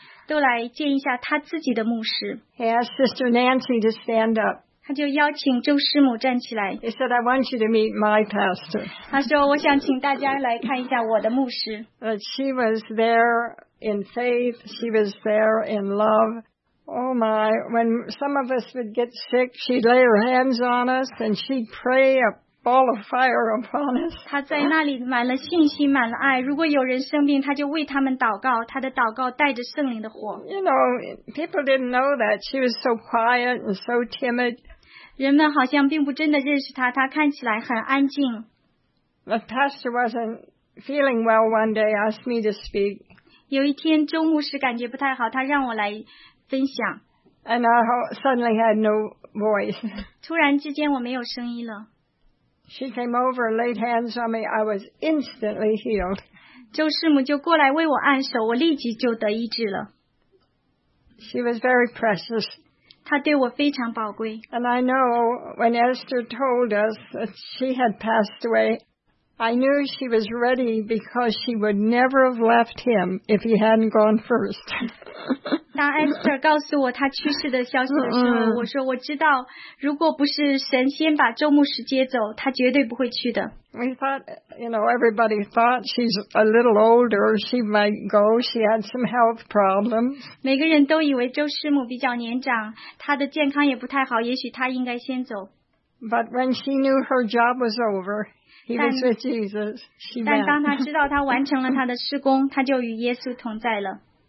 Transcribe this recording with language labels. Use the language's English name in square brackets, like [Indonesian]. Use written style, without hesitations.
[Chinese] 那一天晚上，周牧师要这所有的牧师都来见一下他自己的牧师。 [English] He asked Sister Nancy to stand up. [Chinese] 他就邀请周师母站起来。 [English] He said, I want you to meet my pastor. [Chinese] 他说，我想请大家来看一下我的牧师。 [English] But she was there in faith. She was there in love. Oh my, when some of us would get sick, she'd lay her hands on us and she'd pray a ball of fire upon us. [Chinese] 他在那里满了信心，满了爱。如果有人生病，他就为他们祷告。他的祷告带着圣灵的火。 [English] You know, people didn't know that she was so quiet and so timid. [Chinese] 人们好像并不真的认识她，她看起来很安静。 [English] The pastor wasn't feeling well one day. Asked me to speak. [Chinese] 有一天，周牧师感觉不太好，他让我来分享。 [English] And I suddenly had no voice. [Chinese] 突然之间，我没有声音了。 [English] She came over and laid hands on me. I was instantly healed. [Chinese] 周师母就过来为我按手，我立即就得医治了。 [English] She was very precious. [Chinese] 她对我非常宝贵。 [English] And I know when Esther told us that she had passed away, I knew she was ready because she would never have left him if he hadn't gone first. [Chinese] 当 Esther 告诉我她去世的消息的时候，我说我知道，如果不是神先把周牧师接走，她绝对不会去的。 [English] We thought, you know, everybody thought she's a little older, she might go, she had some health problems. [Chinese] 每个人都以为周师母比较年长，她的健康也不太好，也许她应该先走。 [English] But when she knew her job was over, he was with Jesus. [Chinese] 但当她知道她完成了她的事工，她就与耶稣同在了。